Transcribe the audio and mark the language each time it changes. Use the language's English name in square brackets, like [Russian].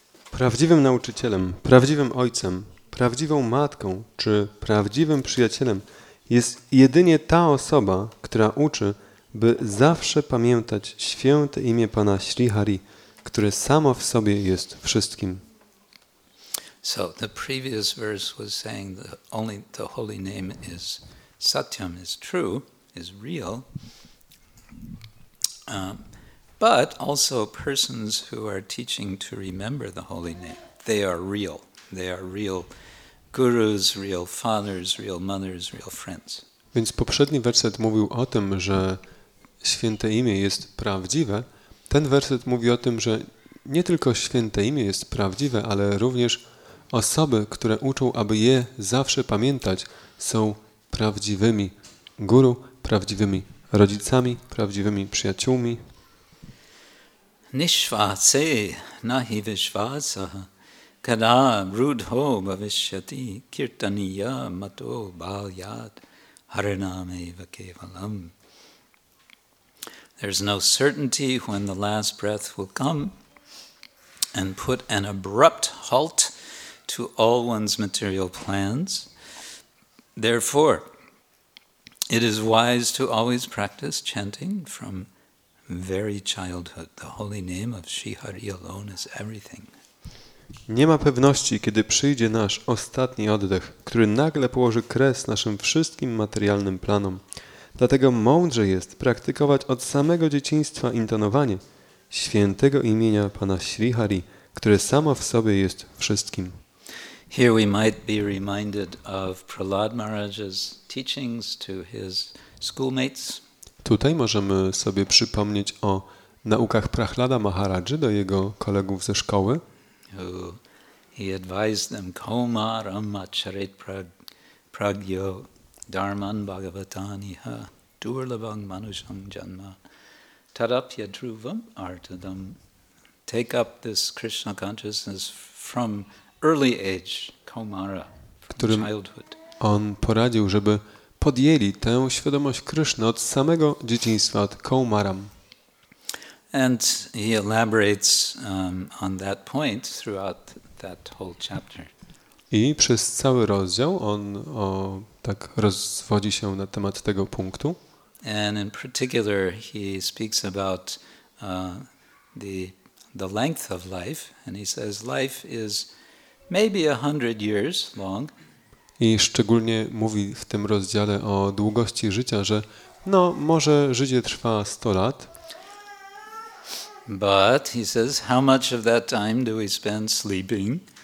[Polish] Prawdziwym nauczycielem, prawdziwym ojcem, prawdziwą matką czy prawdziwym przyjacielem jest jedynie ta osoba, która uczy, by zawsze pamiętać święte imię Pana Śri Hari, które samo w sobie jest wszystkim. [English] So the previous verse was saying that only the holy name is Satyam, is true, is real. But also persons who are teaching to remember the holy name, they are real. They are real gurus, real fathers, real mothers, real friends. [Polish] Więc poprzedni werset mówił o tym, że święte imię jest prawdziwe. Ten werset mówi o tym, że nie tylko święte imię jest prawdziwe, ale również osoby, które uczą, aby je zawsze pamiętać, są prawdziwymi guru, prawdziwymi rodzicami, prawdziwymi przyjaciółmi. [Sanskrit] Nishvase nahi vishvasa Kada rudho bhavishyati kirtaniya mato balyat hariname vakevalam. [English] There's no certainty when the last breath will come and put an abrupt halt to all one's material plans. Therefore, it is wise to always practice chanting from very childhood. The holy name of Sri Hari alone is everything. [Polish] Nie ma pewności, kiedy przyjdzie nasz ostatni oddech, który nagle położy kres naszym wszystkim materialnym planom. Dlatego mądrze jest praktykować od samego dzieciństwa intonowanie świętego imienia Pana Sri Hari, które samo w sobie jest wszystkim. [English] Here we might be reminded of Prahlad Maharaj's teachings to his schoolmates. [Polish] Tutaj możemy sobie przypomnieć o naukach Prahlada Maharaja do jego kolegów ze szkoły. [English] Who he advised them, [Sanskrit] Koma Rama Charit Pragyo Dharman Bhagavatani Ha Durlabang Manusham Janma Tadapya Dhruvam Artadam. [English] Take up this Krishna consciousness from early age, Komara, from childhood. [Polish] On poradził, żeby podjęli tę świadomość Krishna od samego dzieciństwa, od Komaram. [English] And he elaborates on that point throughout that whole chapter. [Polish] I przez cały rozdział on tak rozwodzi się na temat tego punktu. [English] And in particular he speaks about the length of life, and he says life is maybe 100 years long. [Polish] I szczególnie mówi w tym rozdziale o długości życia, że no może życie trwa 100 lat. [English] But he says, how much of that time do we spend sleeping?